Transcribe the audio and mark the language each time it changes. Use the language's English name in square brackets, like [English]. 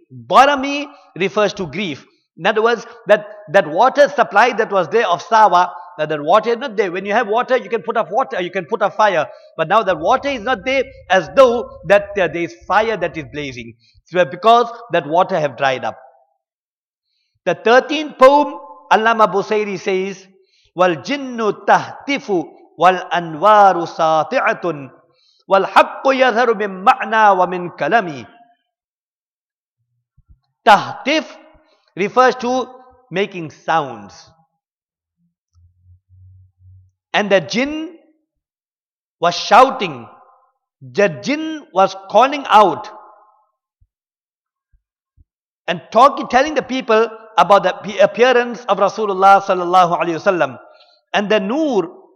[English] Barami refers to grief. In other words, that water supply that was there of Sawa, that water is not there. When you have water, you can put up water, you can put up fire. But now that water is not there, as though that there is fire that is blazing. So because that water have dried up. [Arabic] The 13th poem, Allama Busairi says, وَالْجِنُّ تَهْتِفُ وَالْأَنْوَارُ سَاطِعَةٌ وَالْحَقُّ يَذْهَرُ مِنْ مَعْنَى وَمِنْ كَلَمِي. [English] تَهْتِف refers to making sounds. And the jinn was shouting. The jinn was calling out and telling the people about the appearance of Rasulullah sallallahu alaihi wasallam. And the noor